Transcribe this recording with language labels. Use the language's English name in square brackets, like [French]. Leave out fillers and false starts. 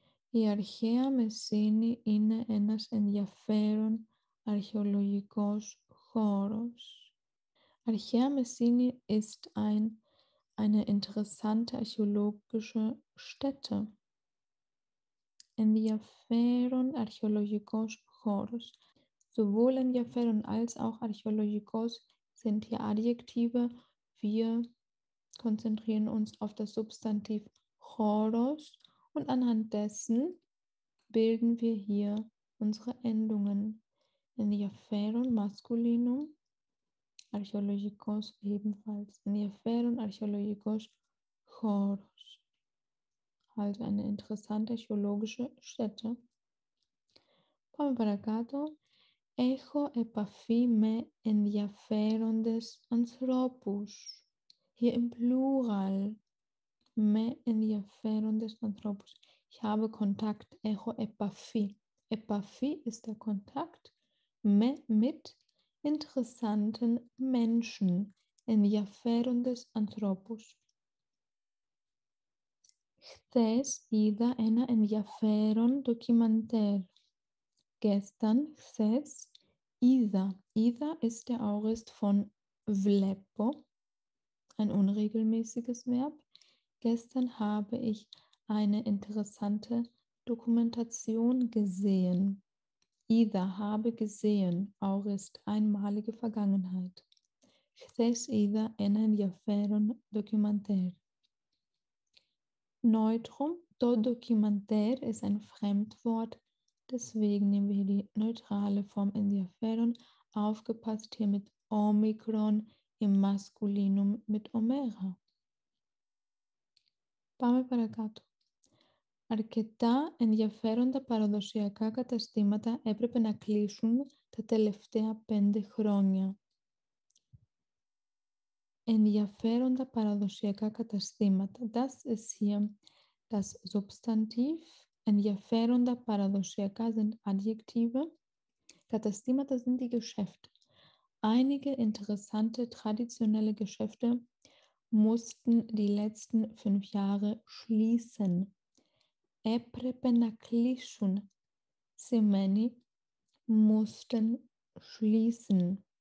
[Greek] Η αρχαία Μεσσίνη είναι ένας ενδιαφέρον αρχαιολογικός χώρος. [German] Αρχαία Μεσσίνη ist eine interessante archäologische Stätte. [Greek] Ενδιαφέρον αρχαιολογικός χώρος. [German] Sowohl ενδιαφέρον als auch αρχαιολογικός sind hier Adjektive. Wir konzentrieren uns auf das Substantiv Choros und anhand dessen bilden wir hier unsere Endungen. Ενδιαφέρον, Maskulinum, Archäologikos ebenfalls. [Greek] Ενδιαφέρον, Archäologikos, Choros. [German] Also eine interessante archäologische Stätte. [Greek] Πάμε παρακάτω. Έχω επαφή με ενδιαφέροντες ανθρώπους. [German] Hier im Plural. [Greek] Με ενδιαφέροντες ανθρώπους. [German] Ich habe Kontakt. [Greek] Έχω επαφή. [German] Επαφή ist der Kontakt. Με, mit interessanten Menschen. [Greek] Ενδιαφέροντες ανθρώπους. Χθες είδα ένα ενδιαφέρον ντοκιμαντέρ. Gestern, χθες, είδα. [German] Είδα ist der Aorist von βλέπω. Ein unregelmäßiges Verb. Gestern habe ich eine interessante Dokumentation gesehen. Ida habe gesehen, auch ist einmalige Vergangenheit. [Greek] Chthes ida ena ενδιαφέρον dokumentär. [German] Neutrum, do dokumentär ist ein Fremdwort, deswegen nehmen wir hier die neutrale Form ενδιαφέρον. Aufgepasst hier mit Omikron im Maskulinum mit Omera. [Greek] Πάμε παρακάτω. Αρκετά ενδιαφέροντα παραδοσιακά καταστήματα έπρεπε να κλείσουν τα τελευταία 5 χρόνια. Ενδιαφέροντα παραδοσιακά καταστήματα. [German] Das ist hier das Substantiv. [Greek] Ενδιαφέροντα παραδοσιακά [German] sind Adjektive. Καταστήματα sind die Geschäfte. Einige interessante traditionelle Geschäfte mussten die letzten 5 Jahre schließen. [Greek] Έπρεπε να κλείσουν σημαίνει [German] mussten schließen.